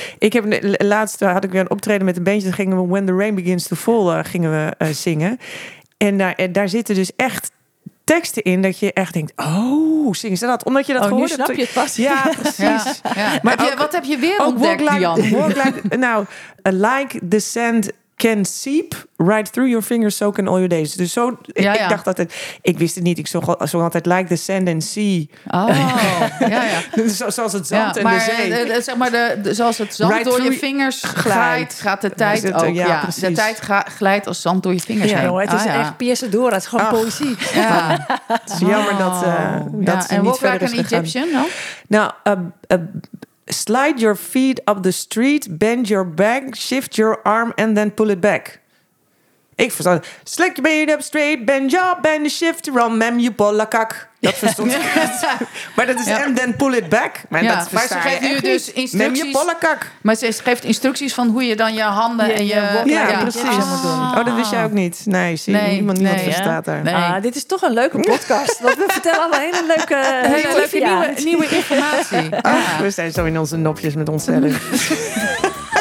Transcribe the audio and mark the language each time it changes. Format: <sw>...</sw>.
<nl>Ik heb laatst had ik weer een optreden met een bandje. Dan gingen we When the Rain Begins to Fall gingen we zingen. En daar zitten dus echt teksten in dat je echt denkt, oh, zingen ze dat? Omdat je dat gehoord hebt. Nu snap je het pas. Ja, precies. Ja. Ja. Maar wat heb je weer ontdekt, Dian?</nl> <en>Nou, like the sand can seep right through your fingers, so can all your days.</en> <nl>Dus zo, ik dacht altijd, ik wist het niet. Ik zong altijd</nl> <en>like the sand and sea.</en> <nl>Oh, Zoals het zand en maar, de zee. Zoals het zand right door je vingers glijdt, gaat de tijd het, ook. Ja, precies. De tijd glijdt als zand door je vingers heen. Oh, het is echt piercen door, het is gewoon poëzie. Ja. Het is jammer dat ze niet verder is gegaan.</nl> <en>En walk like an Egyptian, no? Nou, slide your feet up the street, bend your back, shift your arm and then pull it back.</en> <nl>Ik verstand.</nl> <en>Slick your feet up straight, bend your bend the shift around, mem you pull a kak.</en> <nl>Dat verstond ik. Maar dat is</nl> <en>and then pull it back.</en> <nl>Maar, dat maar ze geeft nu dus instructies. Mem you pull a kak. Maar ze geeft instructies van hoe je dan je handen en je wokken. Ja, precies. Oh, dat wist jij ook niet. Nee, zie je. Niemand verstaat daar. Nee. Dit is toch een leuke podcast. Want we vertellen al een hele leuke, nieuwe informatie. Ach, we zijn zo in onze nopjes met onszelf.</nl>